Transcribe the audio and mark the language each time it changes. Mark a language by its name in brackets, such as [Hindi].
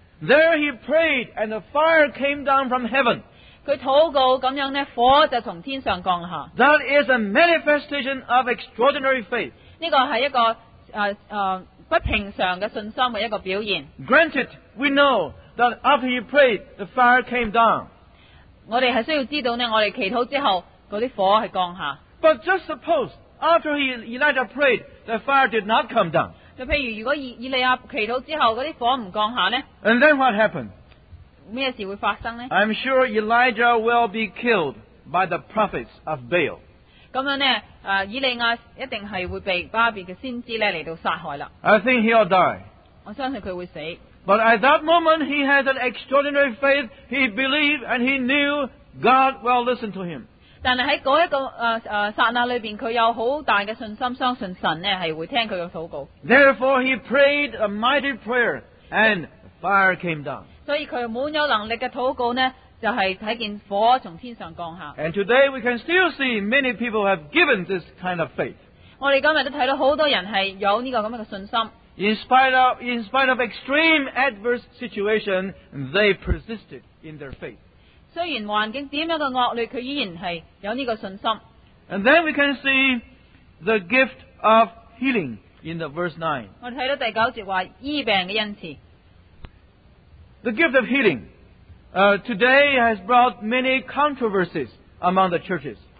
[English] There he prayed and the fire came down from heaven. [Chinese] 他祷告这样呢火就从天上降下。 [English] That is a manifestation of extraordinary faith. [Chinese] 这个是一个不平常的信心的一个表现。 [English] Granted, we know that after he prayed, the fire came down. [Chinese] 我们是需要知道呢我们祈祷之后那些火是降下。 [English] But just suppose, after Elijah prayed, the fire did not come down. [Chinese] 就譬如如果以利亚祈祷之后那些火不降下呢 [English] And then what happened? [Chinese] 什么事会发生呢 [English] I'm sure Elijah will be killed by the prophets of Baal. [Chinese] 这样呢以利亚一定是会被巴别的先知来到杀害 [English] 了。I think he'll die. [Chinese] 我相信他会死。 [English] But at that moment, he had an extraordinary faith. He believed and he knew God will listen to him. [Chinese] 但是在那一个刹那里面他有很大的信心相信神呢是会听他的祷告。 [English] Therefore, he prayed a mighty prayer and fire came down. [Chinese] 所以他满有能力的祷告呢就是看见火从天上降下。 [English] And today, we can still see many people have given this kind of faith. [Chinese] 我们今天都看到很多人是有这个这样的信心。 [English] In spite of extreme adverse situation, they persisted in their faith. [Chinese] 虽然环境怎样的恶劣，他依然是有这个信心。 [English] And then we can see the gift of healing in the verse 9. [Chinese] 我们看到第九节说医病的恩赐。 [English] The gift of healing, today has brought many controversies among the churches.